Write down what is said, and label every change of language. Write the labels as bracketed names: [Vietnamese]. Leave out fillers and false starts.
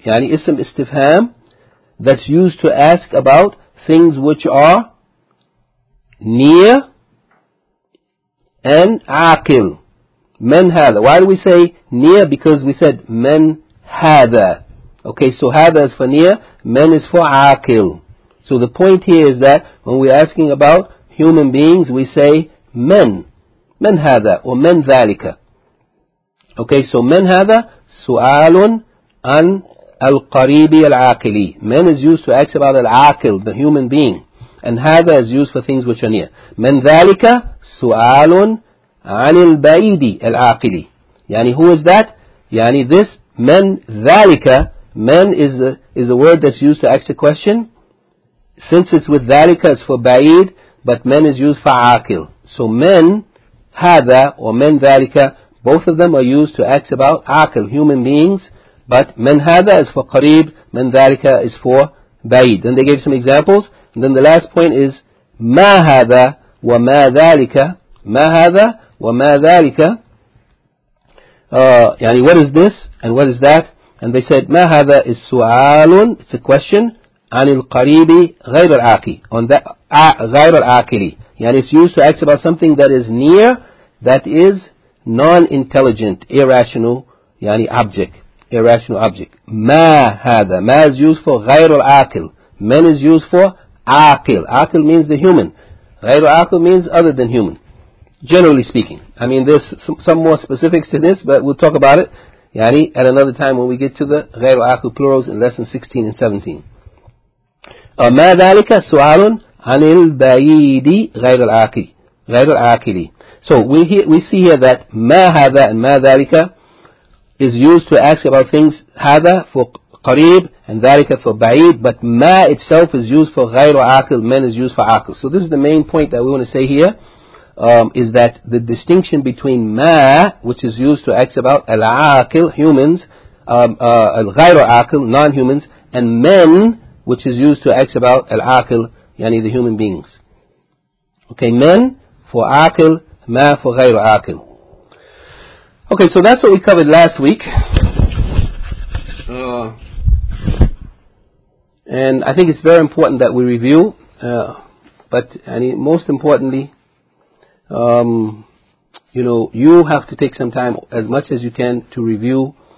[Arabic] يعني اسم استفهام [English] that's used to ask about things which are near and عاقل. [Arabic] من هذا. [English] Why do we say near? Because we said [Arabic] من هذا. [English] Okay, so هذا is for near, من is for عاقل. So the point here is that when we're asking about human beings, we say من. [Arabic] من هذا [English] or [Arabic] من ذلك. [English] Okay, so [Arabic] من هذا سؤال عن القريب العاقل. [English] من is used to ask about العاقل, the human being. And هذا is used for things which are near. [Arabic] من ذلك سؤال عن البعيد العاقل. يعني [English] who is that? [Arabic] يعني [English] this [Arabic] من ذلك. [English] من is a word that's used to ask a question. Since it's with ذلك, it's for بعيد, but من is used for عاقل. So [Arabic] من هذا [English] or [Arabic] من ذلك, [English] both of them are used to ask about عاقل, human beings. But [Arabic] من هذا [English] is for قريب, [Arabic] من ذلك [English] is for بعيد. Then they gave some examples. And then the last point is [Arabic] ما هذا وما ذلك. ما هذا وما ذلك. [English] يعني what is this and what is that. And they said [Arabic] ما هذا [English] is [Arabic] سؤال, [English] it's a question, [Arabic] عن القريب غير العاقل. [English] On that [Arabic] غير العاقل, يعني [English] it's used to ask about something that is near, that is non-intelligent, irrational, يعني object, irrational object. [Arabic] ما هذا. ما [English] is used for [Arabic] غير العاقل. من is used for عاقل. [English] عاقل means the human. غير عاقل means other than human, generally speaking. I mean, there's some more specifics to this, but we'll talk about it, [Arabic] يعني, [English] at another time when we get to the غير عاقل plurals in lesson 16 and 17. [Arabic] ما ذلك سؤال عن البعيد غير العاقل. غير العاقل. [English] So we see here that [Arabic] ما هذا [English] and [Arabic] ما ذلك [English] is used to ask about things, هذا for قريب and ذلك for بعيد, but ما itself is used for غير عاقل, من is used for عاقل. So this is the main point that we want to say here. Is that the distinction between ما, which is used to ask about العاقل, humans, [Arabic] الغير عاقل, [English] non-humans, and من, which is used to ask about العاقل, yani the human beings. Okay, [Arabic] من for عاقل, ما for غير عاقل. [English] Okay, so that's what we covered last week. And I think it's very important that we review, but and most importantly, you know, you have to take some time, as much as you can, to review